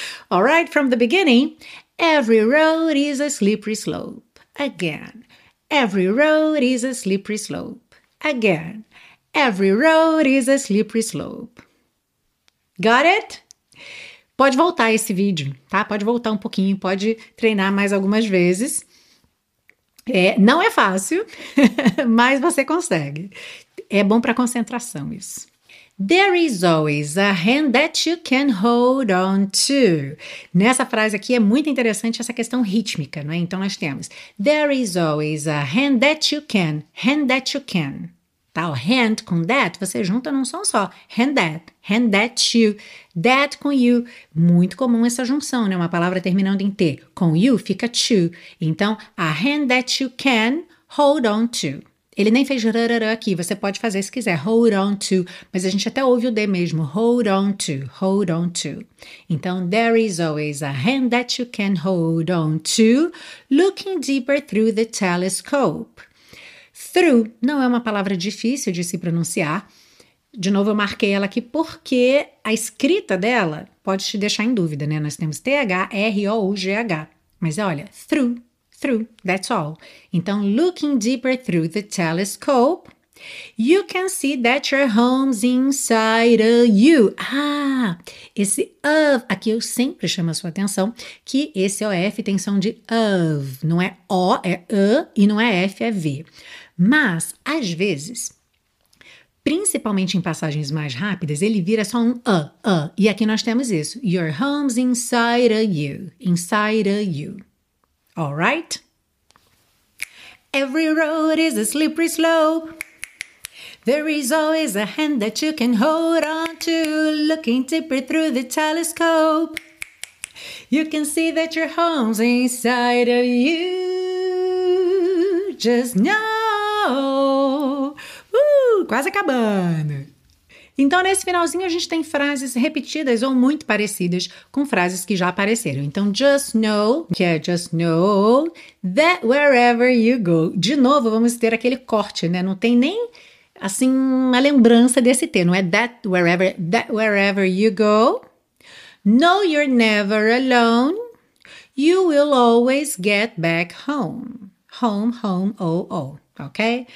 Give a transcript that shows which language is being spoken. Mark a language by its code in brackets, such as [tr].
[en] All right, from the beginning. Every road is a slippery slope. Again. Every road is a slippery slope. Again, every road is a slippery slope. Got it? [pt] Pode voltar esse vídeo, tá? Pode voltar um pouquinho, pode treinar mais algumas vezes. É, não é fácil, mas você consegue. É bom para concentração isso. [en] There is always a hand that you can hold on to. [pt] Nessa frase aqui é muito interessante essa questão rítmica, não é? Então nós temos [en] There is always a hand that you can, hand that you can. [pt] Tá? O hand com that você junta num som só. [en] Hand that you, that com you. [pt] Muito comum essa junção, né? Uma palavra terminando em T. Com you fica to. [en] Então, a hand that you can hold on to. [pt] Ele nem fez rarará aqui, você pode fazer se quiser, hold on to, mas a gente até ouve o D mesmo, [en] hold on to, hold on to. Então, there is always a hand that you can hold on to, looking deeper through the telescope. [pt] Through não é uma palavra difícil de se pronunciar. De novo, eu marquei ela aqui porque a escrita dela pode te deixar em dúvida, né? Nós temos THROUGH, mas olha, through. [en] Through, that's all. Então, looking deeper through the telescope, you can see that your home's inside of you. [pt] Ah, esse of, aqui eu sempre chamo a sua atenção, que esse OF tem som de of, não é O, é A, e não é F, é V. Mas, às vezes, principalmente em passagens mais rápidas, ele vira só um a. E aqui nós temos isso, [en] your home's inside of you, inside of you. All right? Every road is a slippery slope. There is always a hand that you can hold on to, looking deeper through the telescope. You can see that your home's inside of you. Just know. [pt] Quase acabando. Então, nesse finalzinho, a gente tem frases repetidas ou muito parecidas com frases que já apareceram. [en] Então, just know, que é just know, that wherever you go. [pt] De novo, vamos ter aquele corte, né? Não tem nem, assim, uma lembrança desse T. Não é [en] that wherever you go. Know you're never alone. You will always get back home. Home, home, oh, oh. Ok?